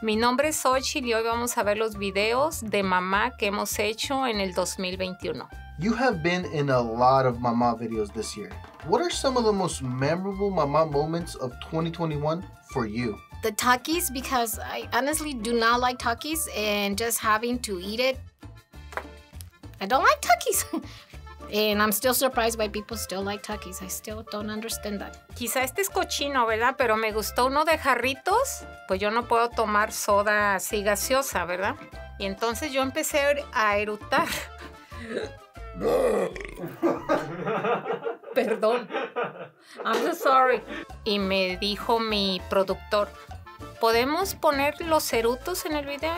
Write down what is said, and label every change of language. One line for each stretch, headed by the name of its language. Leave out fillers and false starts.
Spanish: Mi nombre es Xochitl y hoy vamos a ver los videos de mamá que hemos hecho en el 2021.
English: You have been in a lot of mamá videos this year. What are some of the most memorable mamá moments of 2021 for you? The Takis, because I honestly do not like Takis, and just having to eat it, I don't like Takis. And I'm still surprised why people still like Takis. I still don't understand that.
Spanish: Quizá este es cochino, ¿verdad? Pero me gustó uno de jarritos, pues yo no puedo tomar soda así gaseosa, ¿verdad? Y entonces yo empecé a eructar. Perdón.
English: I'm so sorry.
Spanish: Y me dijo mi productor, ¿podemos poner los cerutos en el video?